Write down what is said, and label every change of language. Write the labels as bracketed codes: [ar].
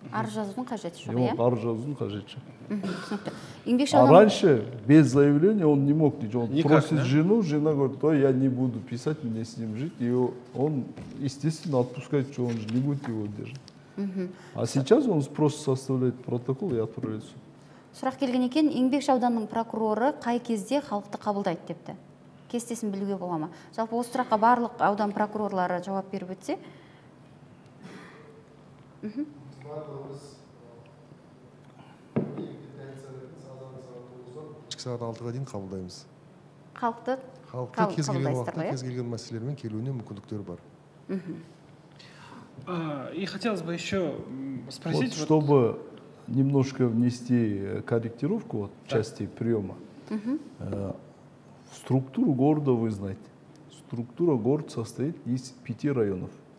[ru] Ар жазуын кажет. А раньше без заявления он не мог ничего. Он просит жену, жена говорит, ой, я не буду писать, мне с ним жить. И он, естественно, отпускает, что он же не будет его держать. А сейчас он просто составляет протокол и отправляет суд. [kk] Сұрақ келген екен, Еңбек ауданының прокуроры қай кезде халықты қабылдайды депті. Кестесін білуге бола ма? Жалпы осы сұраққа барлық аудан прокурорлары жауап беріп өтсе. Кешкі сағат 6-ға дейін қабылдаймыз. Халықты? Халықты кез келген уақытта, кез келген мәселелермен келуіне мүмкіндіктер бар. [ru] И хотелось бы еще спросить, чтобы немножко внести корректировку вот, части приема. Структуру города вы знаете. Структура города состоит из 5 районов.